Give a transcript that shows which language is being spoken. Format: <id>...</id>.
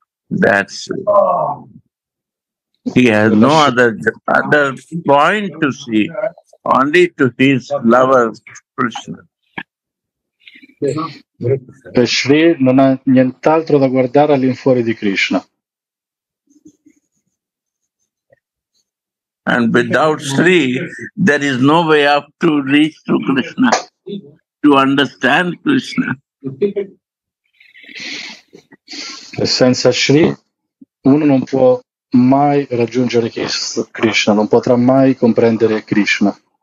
<en>That's he has no other point to see, only to his lover Krishna.</en> <it>E Sri non ha nient'altro da guardare all'infuori di Krishna.</it> <en>And without Sri, there is no way up to reach to Krishna, to understand Krishna.</en> <it>E senza Sri, uno non può mai raggiungere Krishna, non potrà mai comprendere Krishna.</it>